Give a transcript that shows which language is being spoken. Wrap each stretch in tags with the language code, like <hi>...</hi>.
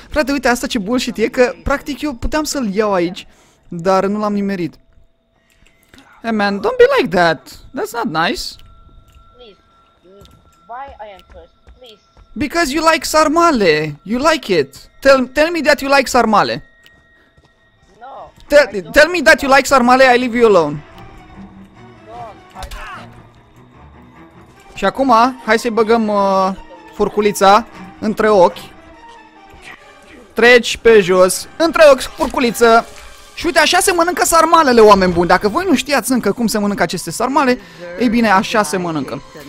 <ro>Frate, uite, asta ce bullshit e, că practic eu puteam să-l iau aici, dar nu l-am nimerit.</ro> <en>Hey man, don't be like that. That's not nice. Please, why I am first? Because you like sarmale, you like it. Tell me that you like sarmale. No. Tell me that you like sarmale, I leave you alone.</en> <ro>Și acum, hai să-i băgăm furculița între ochi. Treci pe jos, între ochi, furculiță. Și uite, așa se mănâncă sarmalele, oameni buni. Dacă voi nu știați încă cum se mănâncă aceste sarmale, ei bine, așa se mănâncă.</ro>